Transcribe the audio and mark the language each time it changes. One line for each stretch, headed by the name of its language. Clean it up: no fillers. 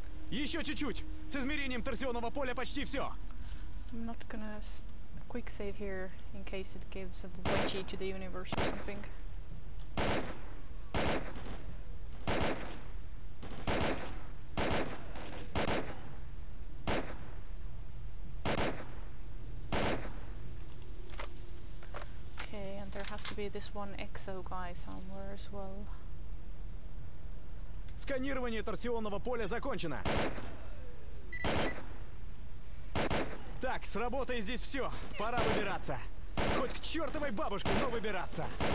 Russian: Еще чуть-чуть. С измерением торсионного поля почти все.
English: I'm not gonna quick save here in case it gives a wedgie to the universe or something. Okay, and there has to be this one exo guy somewhere as well.
Russian: Сканирование торсионного поля закончено. Так, с работой здесь все. Пора выбираться. Хоть к чертовой бабушке, но выбираться.